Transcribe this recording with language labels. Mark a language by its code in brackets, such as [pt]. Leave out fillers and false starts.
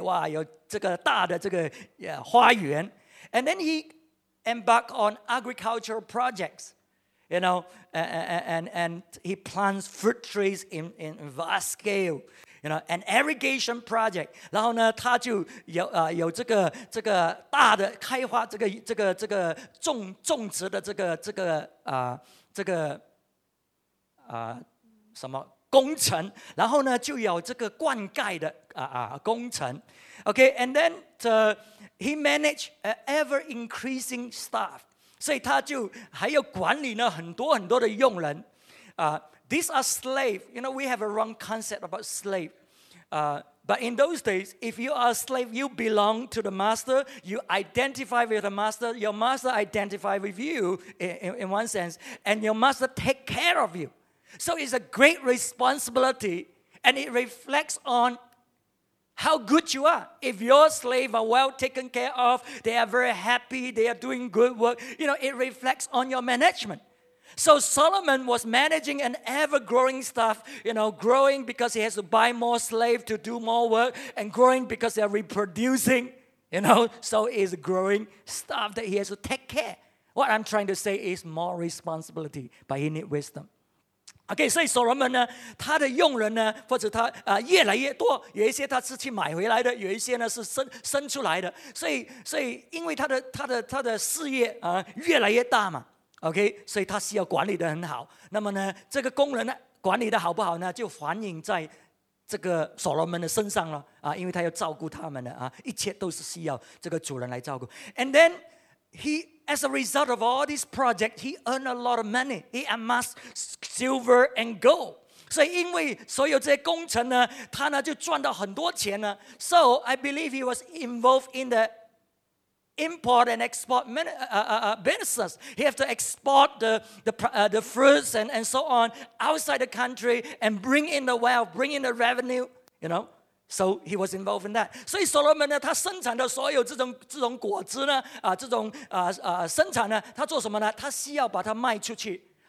[zh] 哇，有这个大的这个花园。 [en] And then he embark on agricultural projects, you know, and he plants fruit trees in vast scale, you know, an irrigation project. [zh] 然后呢，他就有这个大的开花这个种植的什么工程，然后呢就有这个灌溉的工程。 [en] Okay, and then he managed an ever-increasing staff. [zh] 所以他就还要管理呢很多很多的佣人。 [en] These are slaves. You know, we have a wrong concept about slaves. But in those days, if you are a slave, you belong to the master. You identify with the master. Your master identifies with you in one sense. And your master takes care of you. So it's a great responsibility. And it reflects onHow good you are. If your slaves are well taken care of, they are very happy, they are doing good work, you know, it reflects on your management. So Solomon was managing an ever-growing staff, you know, growing because he has to buy more slaves to do more work, and growing because they are reproducing, you know, so it's growing staff that he has to take care. What I'm trying to say is more responsibility, but he needs wisdom. [zh] Okay, 所以所罗门呢，他的佣人呢，或者他越来越多，有一些他是去买回来的，有一些呢是生出来的。所以因为他的事业越来越大嘛 ，OK， 所以他需要管理的很好。那么呢，这个工人呢管理的好不好呢，就反映在这个所罗门的身上了因为他要照顾他们的一切都是需要这个主人来照顾。 [en] And then he, as a result of all this project, he earned a lot of money. He amassed silver and gold. [zh] 所以因为所有这些工程呢，他呢就赚到很多钱呢。 [en] So I believe he was involved in the import and export business. He had to export the fruits and so on outside the country and bring in the wealth, bring in the revenue, you know. So he was involved in that. [zh] 所以所罗门呢，他生产的所有这种果子呢，这种生产呢，他做什么呢？他需要把它卖出去。